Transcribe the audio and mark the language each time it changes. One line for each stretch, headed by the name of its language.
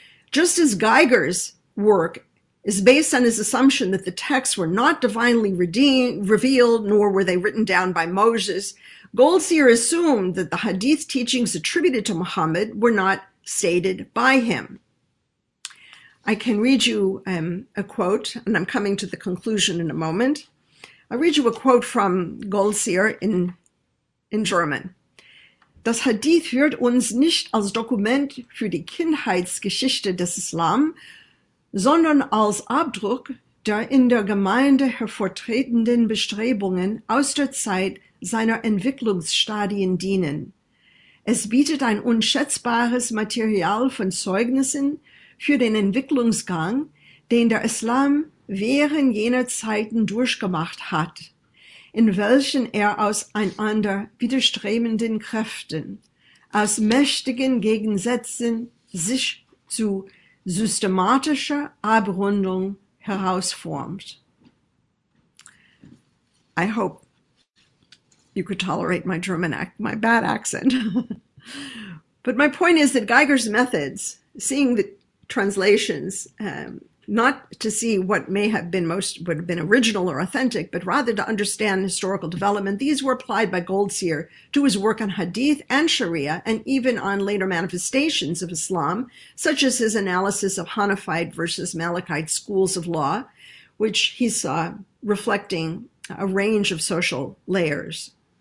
English: Just as Geiger's work is based on his assumption that the texts were not divinely revealed, nor were they written down by Moses, Goldseer assumed that the Hadith teachings attributed to Muhammad were not stated by him. I can read you a quote, and I'm coming to the conclusion in a moment. I'll read you a quote from Goldseer in German.
German: Das Hadith führt uns nicht als Dokument für die Kindheitsgeschichte des Islam, sondern als Abdruck der in der Gemeinde hervortretenden Bestrebungen aus der Zeit seiner Entwicklungsstadien dienen. Es bietet ein unschätzbares Material von Zeugnissen für den Entwicklungsgang, den der Islam während jener Zeiten durchgemacht hat, in welchen er aus einander widerstrebenden Kräften, aus mächtigen Gegensätzen sich zu systematischer Abrundung herausformt.
English: I hope you could tolerate my German my bad accent. But my point is that Geiger's methods, seeing the translations, not to see what may have been most would have been original or authentic, but rather to understand historical development, these were applied by Goldseer to his work on Hadith and Sharia, and even on later manifestations of Islam, such as his analysis of Hanafite versus Malachite schools of law, which he saw reflecting a range of social layers.